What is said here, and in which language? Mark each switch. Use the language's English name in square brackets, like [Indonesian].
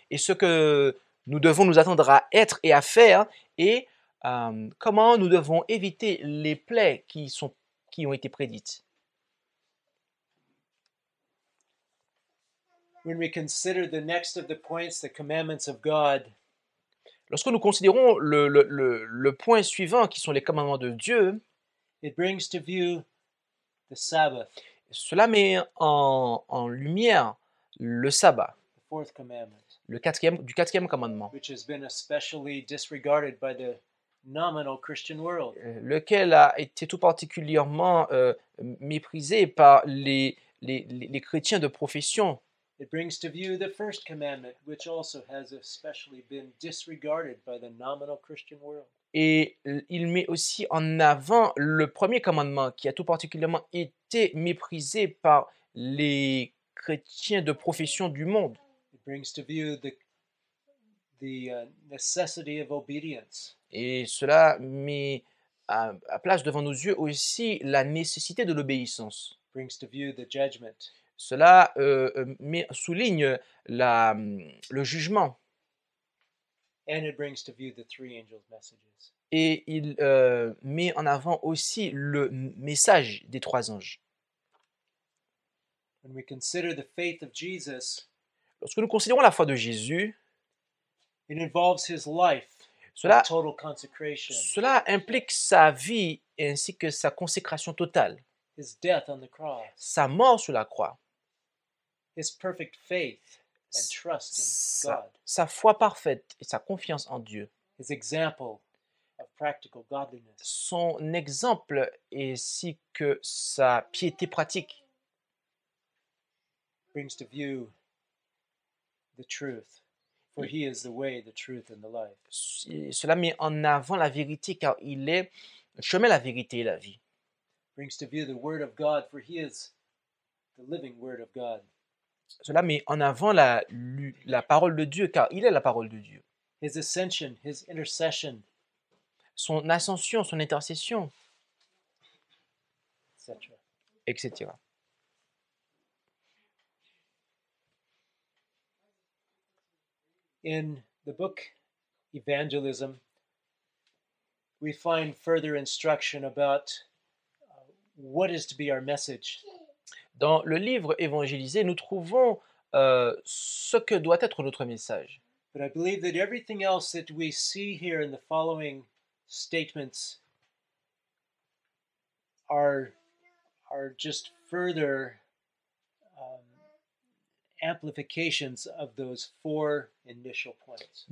[French] Et ce que nous devons nous attendre à être et à faire, et comment nous devons éviter les plaies qui ont été prédites. [English] When we consider the next of the points, the commandments of God. [French] Lorsque nous considérons le point suivant, qui sont les commandements de Dieu, [English] It brings to view the Sabbath. [French] cela met en lumière le sabbat, [English] Fourth commandment, [French] du quatrième commandement, [English] which has been especially disregarded by the nominal Christian world. [French] lequel a été tout particulièrement méprisé par les chrétiens de profession. [English] It brings to view the first commandment, which also has especially been disregarded by the nominal Christian world. [French] Et il met aussi en avant le premier commandement qui a tout particulièrement été méprisé par les chrétiens de profession du monde. [English] Brings to view the necessity of obedience. [French] Et cela met à place devant nos yeux aussi la nécessité de l'obéissance. [English] Brings to view the judgment. [French] Cela souligne le jugement. [English] And it brings to view the three angels' messages. [French] Et il met en avant aussi le message des trois anges. [English] When we consider the faith of Jesus, [French] Lorsque nous considérons la foi de Jésus, [English] it involves his life and total consecration. [French] cela implique sa vie ainsi que sa consécration totale, [English] His death on the cross. [French] sa mort sur la croix, [English] His perfect faith and trust in God. [French] sa foi parfaite et sa confiance en Dieu, [English] His example of practical godliness. [French] son exemple ainsi que sa piété pratique. [English] Brings to view the truth, for he is the way, the truth, and the life. [French] Cela met en avant la vérité, car il est le chemin, la vérité et la vie. [English] Brings to view the word of God, for he is the living word of God. [French] Cela met en avant la parole de Dieu, car il est la parole de Dieu. [English] His ascension, his intercession, [French] son ascension, son intercession, [English] etc. [French] etc. [English] In the book Evangelism, we find further instruction about what is to be our message. [French] Dans le livre évangélisé, nous trouvons ce que doit être notre message. [English] But I believe that everything else that we see here in the following statements are just further amplifications of those four initial points.